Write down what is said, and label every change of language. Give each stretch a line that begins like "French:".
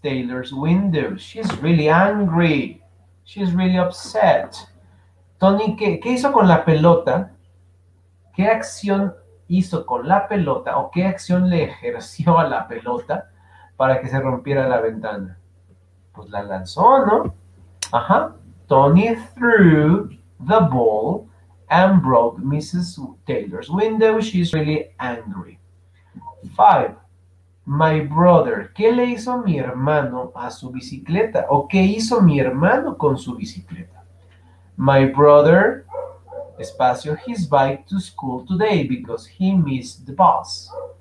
English: Taylor's window. She's really angry. She's really upset.
Spanish: Tony, ¿qué hizo con la pelota? ¿Qué acción hizo con la pelota? ¿O qué acción le ejerció a la pelota para que se rompiera la ventana? Pues la lanzó, ¿no? Ajá.
English: Tony threw the ball and broke Mrs. Taylor's window. She's really angry. Five. My brother.
Spanish: ¿Qué le hizo mi hermano a su bicicleta? ¿O qué hizo mi hermano con su bicicleta?
English: My brother, espacio, his bike to school today because he missed the bus.